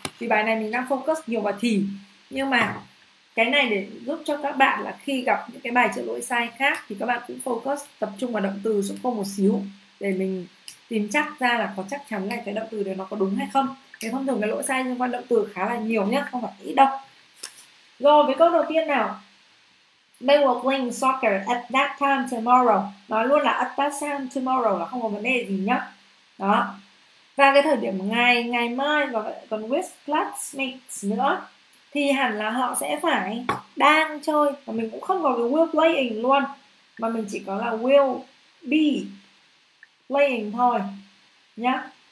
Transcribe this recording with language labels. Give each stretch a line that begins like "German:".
Vietnamese: Vì bài này mình đang focus nhiều vào thì. Nhưng mà cái này để giúp cho các bạn là khi gặp những cái bài chữ lỗi sai khác thì các bạn cũng focus tập trung vào động từ giúp cô một xíu, để mình tìm chắc ra là có chắc chắn là cái động từ đấy nó có đúng hay không. Thế thông thường cái lỗi sai liên quan động từ khá là nhiều nhé, không phải ít đâu. Rồi với câu đầu tiên nào.
English: They were playing soccer at that time tomorrow.
Vietnamese: Nói luôn là
English: at that time tomorrow
Vietnamese: là không có vấn đề gì nhá. Đó. Và cái thời điểm ngày ngày mai và còn with classmates nữa thì hẳn là họ sẽ phải đang chơi, và mình cũng không có cái will playing luôn, mà mình chỉ có là
English: will be playing
Vietnamese: thôi nhá.